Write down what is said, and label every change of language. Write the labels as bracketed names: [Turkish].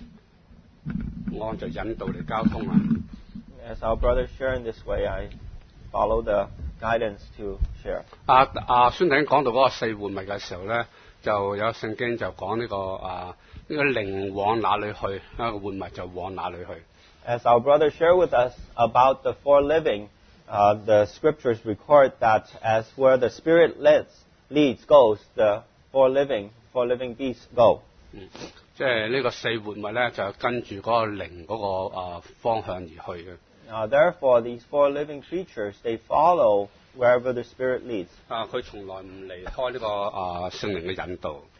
[Chinese] 弟兄交通，我就引导你交通。 [English] As our brother shared in this way, I follow the guidance to share. [Chinese] 孙弟兄讲到那个四活物的时候，有圣经就讲这个灵往哪里去，那个活物就往哪里去。 [English] As our brother shared with us about the four living, the scriptures record that as where the spirit leads goes, the four living beasts go. [Chinese] 即是这个四活物就跟着那个灵的方向而去。 [English] Therefore, these four living creatures, they follow wherever the Spirit leads. [Chinese] 他从来不离开这个圣灵的引导。